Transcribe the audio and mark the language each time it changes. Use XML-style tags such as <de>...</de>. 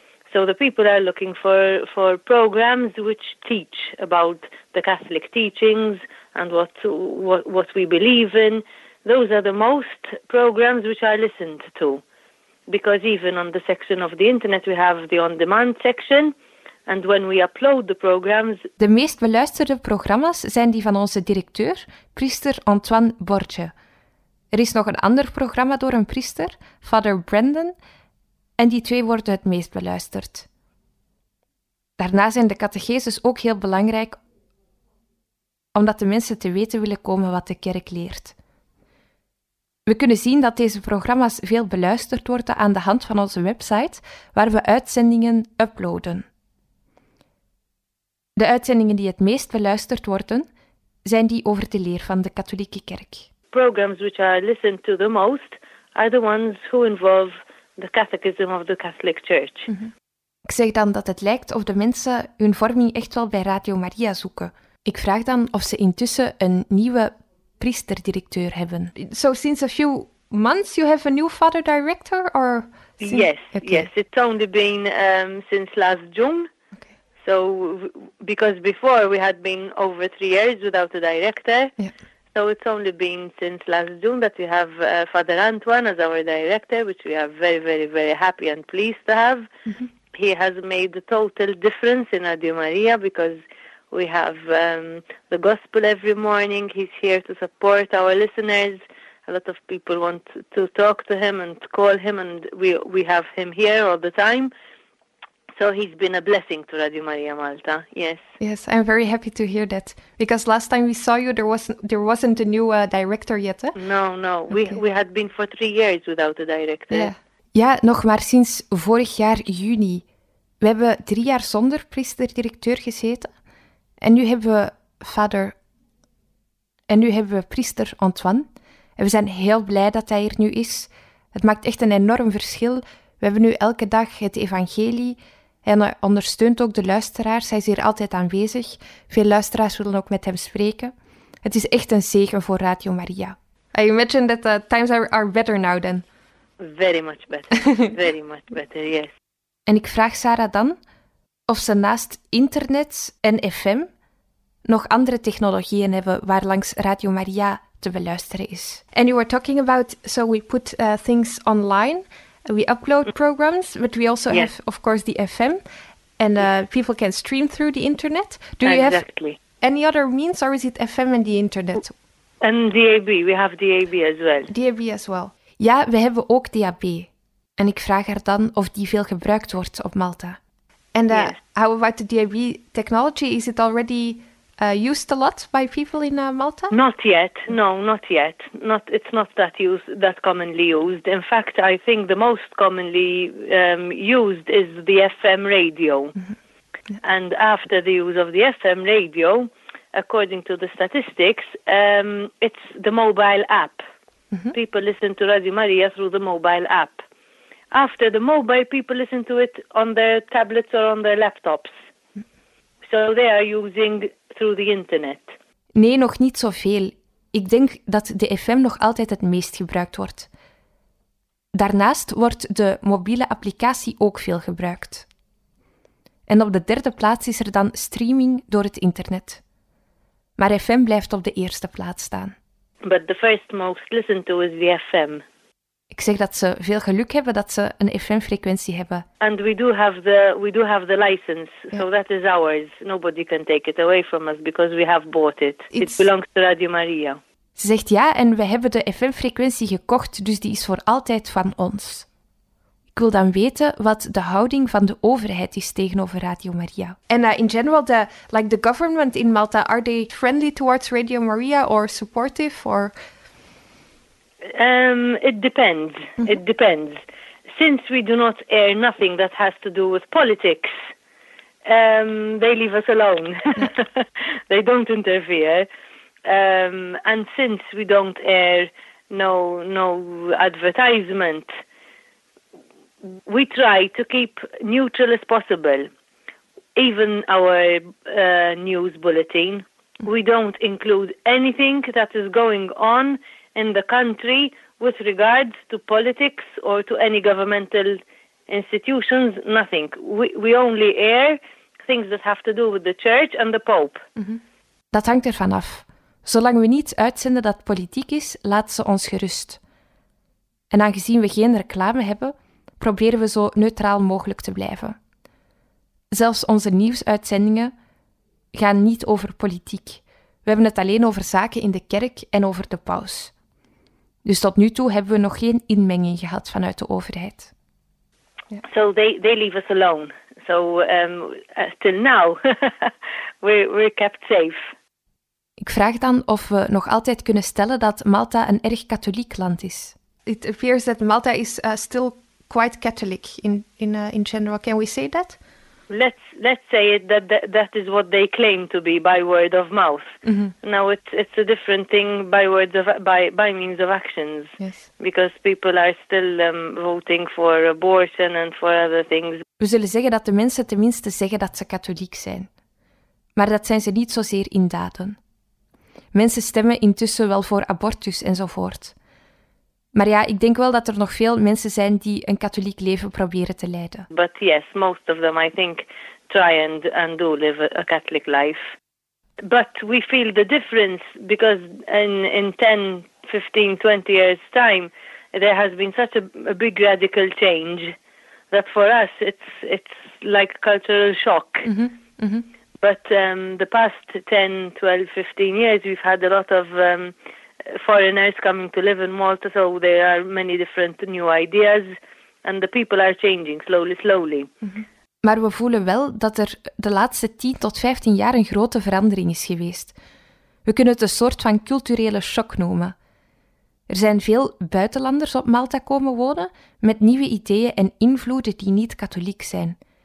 <en>So the people are looking for programs which teach about the Catholic teachings and what we believe in. Those are the most programs which I listened to. Because even on the section of the internet, we have the on-demand section. And when we upload the programs...</en> <nl>De meest beluisterde programma's zijn die van onze directeur, priester Antoine Borge. Er is nog een ander programma door een priester, Father Brendan, en die twee worden het meest beluisterd. Daarna zijn de catecheses ook heel belangrijk, omdat de mensen te weten willen komen wat de kerk leert. We kunnen zien dat deze programma's veel beluisterd worden aan de hand van onze website, waar we uitzendingen uploaden. De uitzendingen die het meest beluisterd worden, zijn die over de leer van de katholieke kerk.</nl> <en>Programs which are listened to the most are the ones who involve the catechism of the Catholic Church. Mm-hmm.</en> <nl>Ik zeg dan dat het lijkt of de mensen hun vorming echt wel bij Radio Maria zoeken. Ik vraag dan of ze intussen een nieuwe priesterdirecteur hebben.</nl> <en>So since a few months you have a new father director? Or since... Yes, okay. Yes. It's only been since last June. So, because before we had been over 3 years without a director, yeah. So it's only been since last June that we have Father Antoine as our director, which we are very, very, very happy and pleased to have. Mm-hmm. He has made a total difference in Radio Maria because we have the gospel every morning. He's here to support our listeners. A lot of people want to talk to him and call him, and we have him here all the time. So he's been a blessing to Radio Maria Malta, yes. Yes, I'm very happy to hear that. Because last time we saw you, there wasn't a new director yet, eh? No. Okay. We had been for 3 years without a director.</en> <nl>Ja, nog maar sinds vorig jaar juni. We hebben 3 jaar zonder priester-directeur gezeten. En nu hebben we vader... En nu hebben we priester Antoine. En we zijn heel blij dat hij er nu is. Het maakt echt een enorm verschil. We hebben nu elke dag het evangelie. En hij ondersteunt ook de luisteraars. Hij is hier altijd aanwezig. Veel luisteraars willen ook met hem spreken. Het is echt een zegen voor Radio Maria.</nl> <en>I imagine that the times are better now then. Very much better. Very much better, yes.</en> <nl>En ik vraag Sarah dan of ze naast internet en FM nog andere technologieën hebben waar langs Radio Maria te beluisteren is.</nl> <en>And you were talking about, so we put things online, we upload programs, but we also have, of course, the FM, and people can stream through the internet. Do you have any other means, or is it FM and the internet? And DAB, we have DAB as well. DAB as well.</en> <nl>Ja, we hebben ook DAB. En ik vraag haar dan of die veel gebruikt wordt op Malta.</nl> <en>And how about the DAB technology? Is it already used a lot by people in Malta? Not yet. No, not yet. It's not that commonly used. In fact, I think the most commonly used is the FM radio. Yeah. And after the use of the FM radio, according to the statistics, it's the mobile app. Mm-hmm. People listen to Radio Maria through the mobile app. After the mobile, people listen to it on their tablets or on their laptops. So they are using through the internet.</en> <nl>Nee, nog niet zoveel. Ik denk dat de FM nog altijd het meest gebruikt wordt. Daarnaast wordt de mobiele applicatie ook veel gebruikt. En op de derde plaats is er dan streaming door het internet. Maar FM blijft op de eerste plaats staan.</nl> <en>But the first most listened to is the FM.</en> <nl>Ik zeg dat ze veel geluk hebben dat ze een FM-frequentie hebben.</nl> <en>And we do have the license, so that is ours. Nobody can take it away from us because we have bought it. It belongs to Radio Maria.</en> <nl>Ze zegt ja, en we hebben de FM-frequentie gekocht, dus die is voor altijd van ons. Ik wil dan weten wat de houding van de overheid is tegenover Radio Maria.</nl> <en>And in general, the government in Malta, are they friendly towards Radio Maria or supportive or... It depends. Mm-hmm. It depends. Since we do not air nothing that has to do with politics, they leave us alone. They don't interfere. And since we don't air no advertisement, we try to keep neutral as possible. Even our news bulletin, we don't include anything that is going on in the country with regards to politics or to any governmental institutions, nothing. We only air things that have to do with the church and the Pope. Mm-hmm.</en> <nl>Dat hangt ervan af. Zolang we niet uitzenden dat politiek is, laat ze ons gerust. En aangezien we geen reclame hebben, proberen we zo neutraal mogelijk te blijven. Zelfs onze nieuwsuitzendingen gaan niet over politiek. We hebben het alleen over zaken in de kerk en over de paus. Dus tot nu toe hebben we nog geen inmenging gehad vanuit de overheid.</nl> <en>Ja. So they leave us alone. So till now we're kept safe.</en> <nl>Ik vraag dan of we nog altijd kunnen stellen dat Malta een erg katholiek land is.</nl> <en>It appears that Malta is still quite Catholic in general. Can we say that? Let's say it that is what they claim to be by word of mouth. Mm-hmm. Now it's a different thing by words of by means of actions. Yes. Because people are still voting for abortion and for other things.</en> <nl>We zullen zeggen dat de mensen tenminste zeggen dat ze katholiek zijn. Maar dat zijn ze niet zozeer in daden. Mensen stemmen intussen wel voor abortus enzovoort. Maar ja, ik denk wel dat er nog veel mensen zijn die een katholiek leven proberen te leiden.</nl> <en>But yes, most of them I think try and do live a Catholic life. But we feel the difference because in 10, 15, 20 years time there has been such a big radical change that for us it's like a cultural shock. Mm-hmm. Mm-hmm. But the past 10, 12, 15 years we've had a lot of foreigners coming to live in Malta, so there are many different new ideas and the people are changing slowly. Mm-hmm.</en> <nl>Maar we voelen wel dat er de laatste 10 tot 15 jaar een grote verandering is geweest. We kunnen het een soort van culturele shock noemen. Er zijn veel buitenlanders op Malta komen wonen met nieuwe ideeën en invloeden die niet katholiek zijn.</nl>